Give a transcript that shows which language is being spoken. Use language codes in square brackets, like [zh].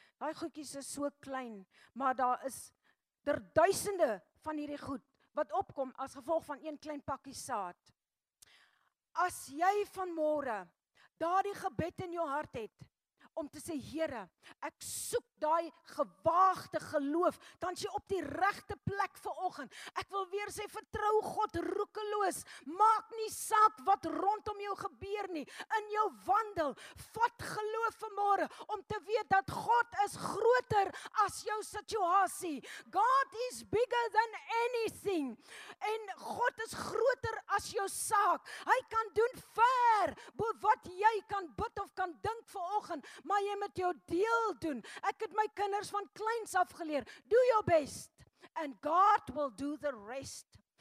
[af] Daai goedjies is so klein, maar daar is ter duisende van hierdie goed wat opkom as gevolg van een klein pakkie saad. As jy vanmôre daardie gebed in jou hart het om te sê Here, ek soek daai gewaagde geloof, dan jy op die regte plek vanoggend. Ek wil weer sê vertrou God roekeloos. Maak nie saak wat rondom jou gebeur nie. In jou wandel vat geloof vanmôre om te weet dat God is groter as jou situasie. [en] God is bigger than anything. [af] En God is groter as jou saak. Hy kan doen ver bo wat jy kan bid of kan dink vanoggend. Maar jy moet jou deel doen. Ek het my kinders van kleins af geleer. [en] Do your best and God will do the rest.